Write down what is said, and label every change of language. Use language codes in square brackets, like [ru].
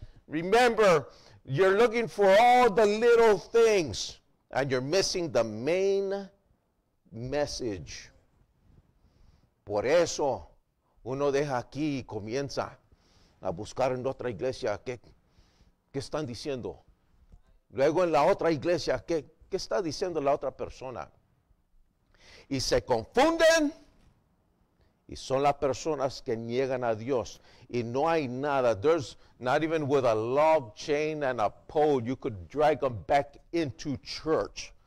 [en] Remember, you're looking for all the little things and you're missing the main message. [es] Por eso uno deja aquí y comienza a buscar en otra iglesia qué están diciendo. Luego en la otra iglesia qué está diciendo la otra persona. Y se confunden y son las personas que niegan a Dios. Y no hay nada. [en] There's not even with a log chain and a pole you could drag them back into church.